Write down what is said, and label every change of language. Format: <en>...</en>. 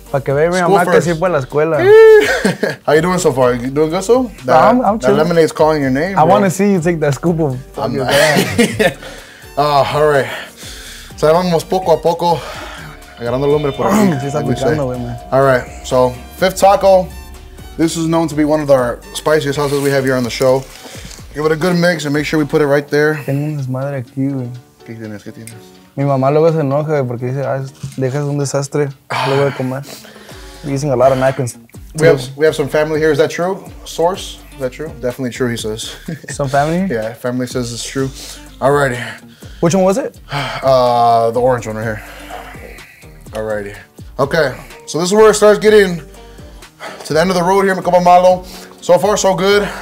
<es>Para que vea mi mamá que sirve la escuela.</es> <en>How you doing so far? You doing good, so? I'm chilling. That lemonade's calling your name. I want to see you take that scoop of your dad. All right. So,</en> <es>vamos poco a poco.</es> <en>All right, so Fifth Taco, this is known to be one of our spiciest sauces we have here on the show. Give it a good mix and make sure we put it right there.</en> <es>Tengo un desmadre aquí, güey. ¿Qué tienes? Mi mamá luego se enoja porque dice, dejas un desastre, luego de comer.</es> <en>We're using a lot of napkins. We have some family here, is that true? Source, is that true? Definitely true, he says. Some family? Yeah, family says it's true. All righty. Which one was it? The orange one right here. Alrighty. Okay, so this is where it starts getting to the end of the road here, Macoba Malo. So far, so good.</en>